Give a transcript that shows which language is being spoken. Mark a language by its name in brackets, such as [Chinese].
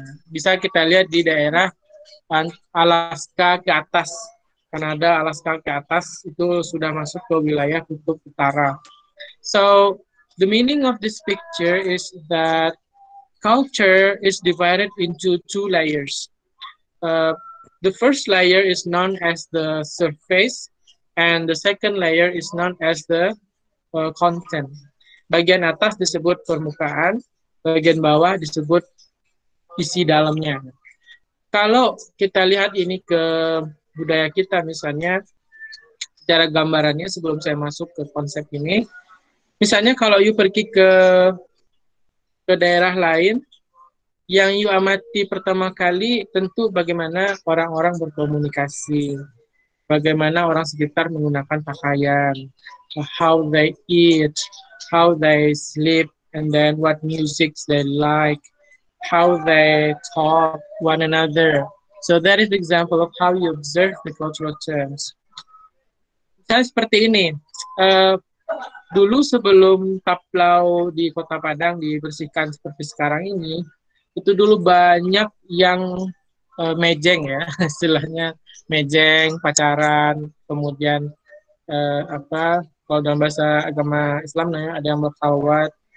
[Indonesian] Bisa kita lihat di daerah Alaska ke atas, Kanada, Alaska ke atas itu sudah masuk ke wilayah kutub utara. [English] So, the meaning of this picture is that culture is divided into two layers. The first layer is known as the surface, and the second layer is known as the content. [Indonesian] Bagian atas disebut permukaan, bagian bawah disebut isi dalamnya. Kalau kita lihat ini ke budaya kita misalnya, secara gambarannya sebelum saya masuk ke konsep ini, misalnya kalau you pergi ke daerah lain, yang you amati pertama kali tentu bagaimana orang-orang berkomunikasi, bagaimana orang sekitar menggunakan pakaian, [English] how they eat, how they sleep, and then what music they like, how they talk one another. So that is the example of how you observe the cultural terms. [Indonesian] Misalnya seperti ini, dulu sebelum taplau di Kota Padang dibersihkan seperti sekarang ini, itu dulu banyak yang mejeng, ya, istilahnya mejeng, pacaran, kemudian kalau dalam bahasa agama Islam namanya ada yang berkhawat.